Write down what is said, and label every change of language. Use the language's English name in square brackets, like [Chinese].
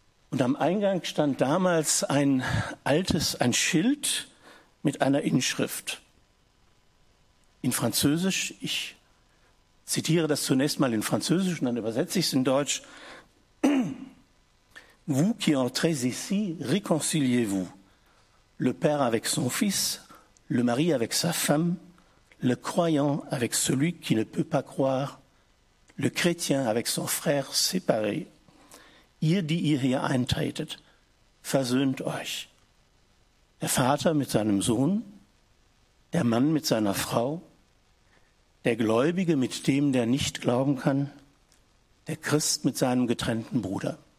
[German] Und am Eingang stand damals ein Schild mit einer Inschrift. In Französisch, ich zitiere das zunächst mal in Französisch und dann übersetze ich es in Deutsch. [French] Vous qui entrez ici, réconciliez-vous. Le père avec son fils, le mari avec sa femme, le croyant avec celui qui ne peut pas croire, le chrétien avec son frère séparé. [German] Ihr, die ihr hier eintretet, versöhnt euch. Der Vater mit seinem Sohn, der Mann mit seiner Frau, der Gläubige mit dem, der nicht glauben kann, der Christ mit seinem getrennten Bruder.